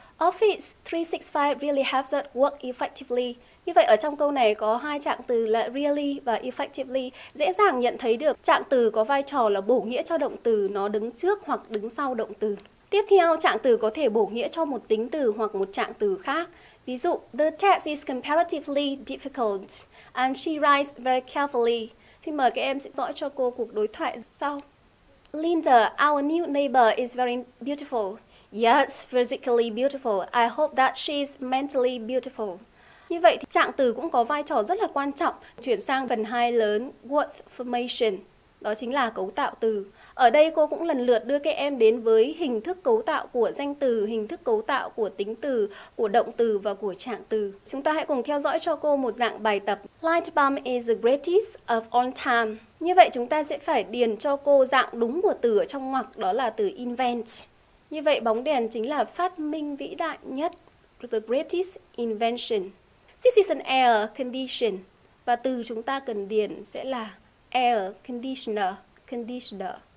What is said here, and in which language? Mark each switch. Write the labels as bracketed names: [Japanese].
[English] Office 365 really helps us work effectively. [Vietnamese] Như vậy ở trong câu này có hai trạng từ là really và effectively. Dễ dàng nhận thấy được trạng từ có vai trò là bổ nghĩa cho động từ, nó đứng trước hoặc đứng sau động từ. Tiếp theo, trạng từ có thể bổ nghĩa cho một tính từ hoặc một trạng từ khác. [English] Ví dụ, the test is comparatively difficult and she writes very carefully. [Vietnamese] Xin mời các em sẽ dõi cho cô cuộc đối thoại sau. [English] Linda, our new neighbor is very beautiful. Yes, physically beautiful. I hope that she's mentally beautiful. [Vietnamese] Như vậy thì trạng từ cũng có vai trò rất là quan trọng. Chuyển sang phần 2 lớn, word formation, đó chính là cấu tạo từ. Ở đây cô cũng lần lượt đưa các em đến với hình thức cấu tạo của danh từ, hình thức cấu tạo của tính từ, của động từ và của trạng từ. Chúng ta hãy cùng theo dõi cho cô một dạng bài tập. [English] Light bulb is the greatest of all time. [Vietnamese] Như vậy chúng ta sẽ phải điền cho cô dạng đúng của từ ở trong ngoặc, đó là từ invent. Như vậy bóng đèn chính là phát minh vĩ đại nhất, [English] the greatest invention. This is an air condition. [Vietnamese] Và từ chúng ta cần điền sẽ là air conditioner, conditioner.